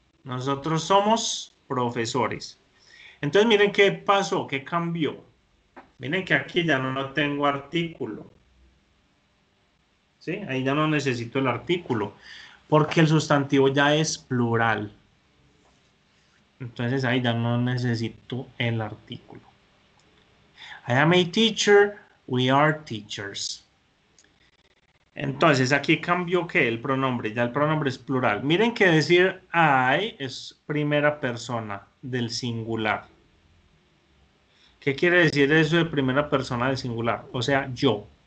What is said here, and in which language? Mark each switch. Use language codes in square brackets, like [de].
[es] Nosotros somos profesores. Entonces miren qué pasó, qué cambió. Miren que aquí ya no tengo artículo. ¿Sí? Ahí ya no necesito el artículo porque el sustantivo ya es plural. Entonces ahí ya no necesito el artículo. [en] I am a teacher, we are teachers. [es] Entonces aquí cambió qué, el pronombre, ya el pronombre es plural. Miren que decir I es primera persona del singular. ¿Qué quiere decir eso de primera persona del singular? O sea, yo.